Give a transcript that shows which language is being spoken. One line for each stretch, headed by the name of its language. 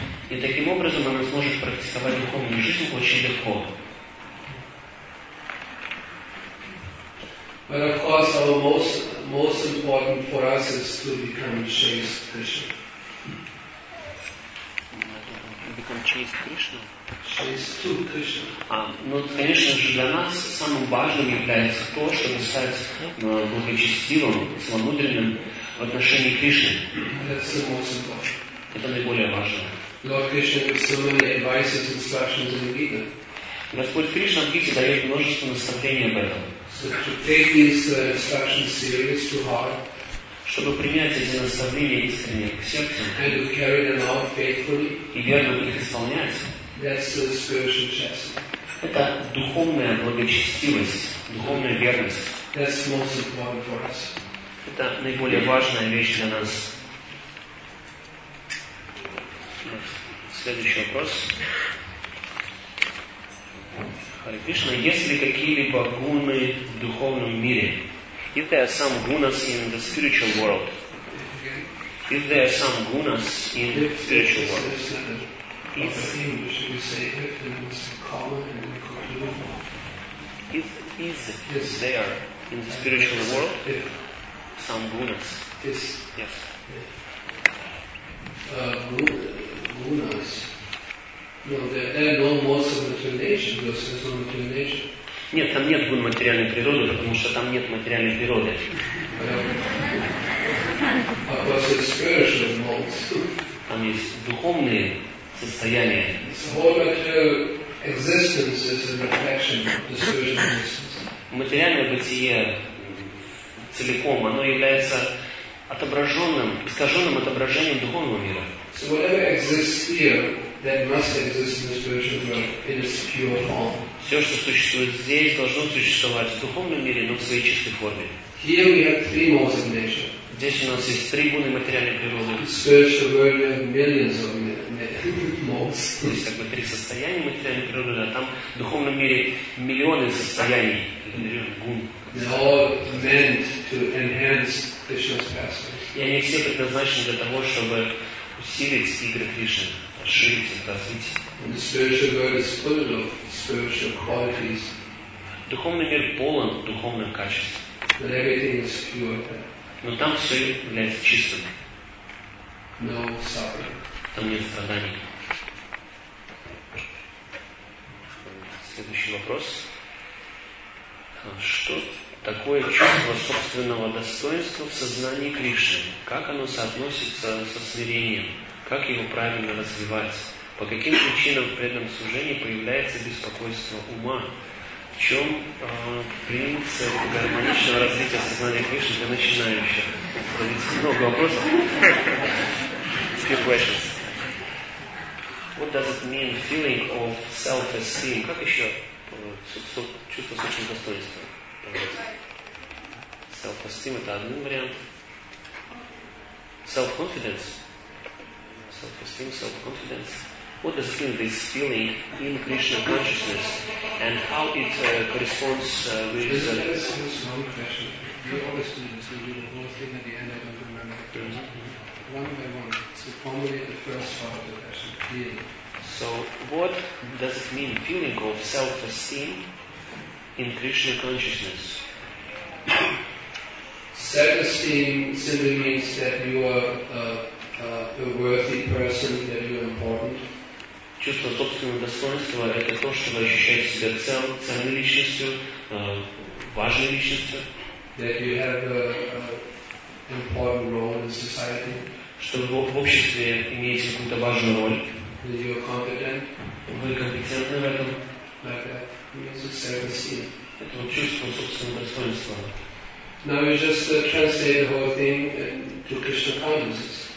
Russian: И таким образом она сможет практиковать духовную жизнь очень легко.
English: But of course, our most important for us is to become chaste Krishna. Become chaste Krishna. Chaste to Krishna.
Russian: Но, конечно же, для нас самым важным является то, чтобы стать благочестивым, самомудренным в отношении Кришны.
English: That's the most important.
Russian: Это наиболее важно.
English: Lord Krishna gives so many advices, instructions in the Gita.
Russian: Господь Кришна в Гите дает множество наставлений об этом.
English: So to take these instructions seriously to heart,
Russian: чтобы принять эти наставления искренне к сердцу,
English: and to carry them out faithfully,
Russian: и верно их исполнять,
English: that's the spiritual chastity.
Russian: Это духовная благочестивость, духовная верность.
English: That's most important for us.
Russian: Это наиболее важная вещь для нас. Следующий вопрос. Hare Krishna, есть ли какие-либо гуны в духовном мире?
English: Is there some gunas in the spiritual world? Is there some gunas in the spiritual world? Is there in the spiritual world some gunas? Yes. Gunas. No, there are no modes of determination, because there's no determination.
Russian: Нет, там нет гун материальной природы, потому что там нет материальной природы.
English: Of course, it's spiritual modes.
Russian: Там есть духовные состояния.
English: The whole material existence is a reflection of the spiritual existence.
Russian: Материальное бытие целиком, оно является отображенным, искаженным отображением духовного мира.
English: So whatever exists here, that must exist in the spiritual world in its pure form.
Russian: Все, что существует здесь, должно существовать в духовном мире, но в своей чистой форме.
English: Here we have three modes of nature.
Russian: Здесь у нас есть три гуны материальной природы.
English: In the spiritual world, we have millions of modes.
Russian: Здесь как бы три состояния материальной природы, а там в духовном мире миллионы состояний, миллионы гун.
English: They're all meant to enhance Krishna's pastimes.
Russian: И они все предназначены для того, чтобы усилить игры Кришны, расширить их, развить.
English: And the spiritual world is full of spiritual qualities.
Russian: Духовный мир полон духовных качеств.
English: But everything is pure there.
Russian: Но там все является чистым.
English: No suffering.
Russian: Там нет страданий. Следующий вопрос. Что такое чувство собственного достоинства в сознании Кришны? Как оно соотносится со смирением? Как его правильно развивать? По каким причинам в преданном служении появляется беспокойство ума? В чем принцип гармоничного развития сознания Кришны для начинающих? Здесь много вопросов.
English: Few questions. What does it mean feeling of self-esteem?
Russian: Как еще чувство собственного достоинства?
English: Self-esteem –
Russian: это один вариант.
English: Self-confidence. Self-esteem, self-confidence. What does mean this feeling in Krishna consciousness and how it corresponds with... This is one question. the other students who do the whole thing at the end, I don't remember the terms. Mm-hmm. One by one, to formulate the first part of the question clearly. So, what does it mean, feeling of self-esteem in Krishna consciousness? Self-esteem simply means that you are a worthy person, that you are important.
Russian: Чувство собственного достоинства – это то, что вы ощущаете себя ценной личностью, важной личностью.
English: That you have an important role in society.
Russian: Что вы в обществе имеете какую-то важную роль.
English: That you are competent.
Russian: Вы компетентны в этом.
English: Like that. It's a self-esteem.
Russian: Это вот чувство собственного достоинства.
English: Now we just translate the whole thing to Krishna consciousness.